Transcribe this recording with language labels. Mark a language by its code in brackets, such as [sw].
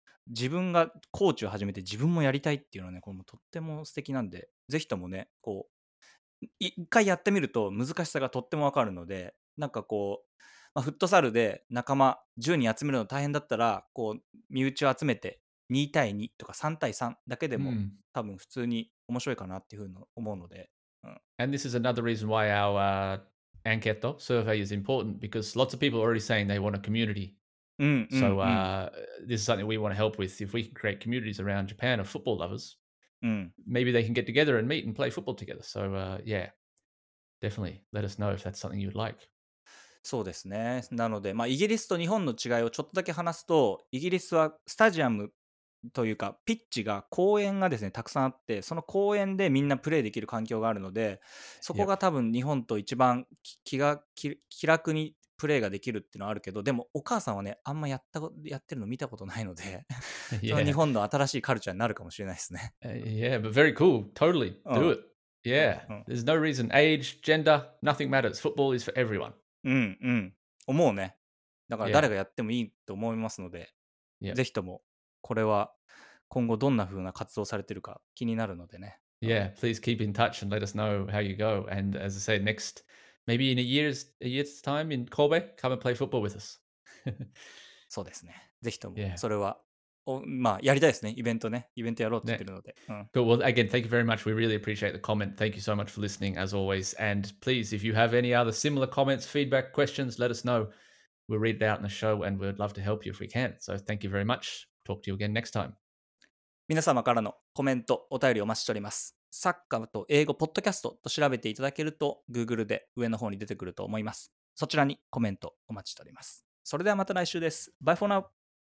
[ja] 自分がコーチを始めて自分もやりたいっていうのはね、これもとっても素敵なんで、ぜひともね、こう一回やってみると難しさがとってもわかるので、なんかこう、まあ、フットサルで仲間10人集めるの大変だったら、こう身内を集めて2対2とか3対3だけでも、多分普通に面白いかなっていうふうに思うので、 [en] And this is another reason why our enquete survey is important, because lots of people are already saying they want a communitySo, this is something we want to help with. If we can create communities around Japan of football lovers, maybe they can get together and meet and play football together. So, yeah, definitely let us know if that's something you'd like. [ja] そうですね。なので、まあ、イギリスと日本の違いをちょっとだけ話すと、イギリスはスタジアムというか、ピッチが、公園がですね、たくさんあって、その公園でみんなプレーできる環境があるので、そこが多分日本と一番気楽にプレーができるっていうのはあるけど、でもお母さんはね、あんまやってるの見たことないので、日本の新しいカルチャーになるかもしれないですね。 [en] Yeah, but very cool. Totally. Do it. Yeah. There's no reason. Age, gender, nothing matters. Football is for everyone. [ja] 思うね。だから誰がやってもいいと思いますので、ぜひともこれは今後どんな風な活動されてるか気になるのでね。 [en] Yeah, please keep in touch and let us know how you go. And as I say, next... Maybe in a year's time in Kobe, come and play football with us. [ja] そうですね。ぜひとも、それは、まあ、やりたいですね。イベントね。イベントやろうって言ってるので。 [en] Good. Well, again, thank you very much. We really appreciate the comment. Thank you so much for listening, as always. And please, if you have any other similar comments, feedback, questions, let us know. We'll read it out in the show, and we'd love to help you if we can. So thank you very much. Talk to you again next time. [ja] 皆様からのコメント、お便りお待ちしております。サッカーと英語ポッドキャストと調べていただけると Google で上の方に出てくると思います。そちらにコメントお待ちしております。それではまた来週です。 [en] Bye for now.